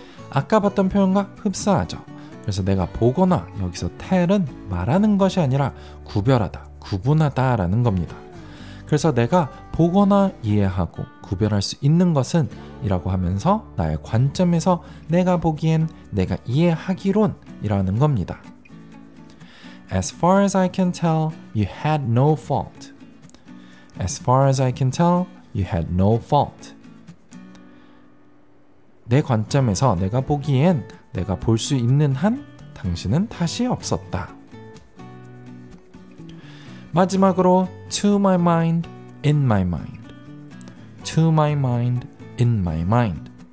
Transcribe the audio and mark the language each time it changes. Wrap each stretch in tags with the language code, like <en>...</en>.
<ko>아까 봤던 표현과 흡사하죠. 그래서 내가 보거나 여기서 tell은 말하는 것이 아니라 구별하다, 구분하다 라는 겁니다. 그래서 내가 보거나 이해하고 구별할 수 있는 것은 이라고 하면서 나의 관점에서 내가 보기엔 내가 이해하기론 이라는 겁니다.</ko> <en>As far as I can tell, you had no fault. As far as I can tell, you had no fault.</en> <ko>내 관점에서 내가 보기엔 내가 볼 수 있는 한 당신은 탓이 없었다. 마지막으로</ko> <en>to my mind, in my mind. To my mind, in my mind.</en>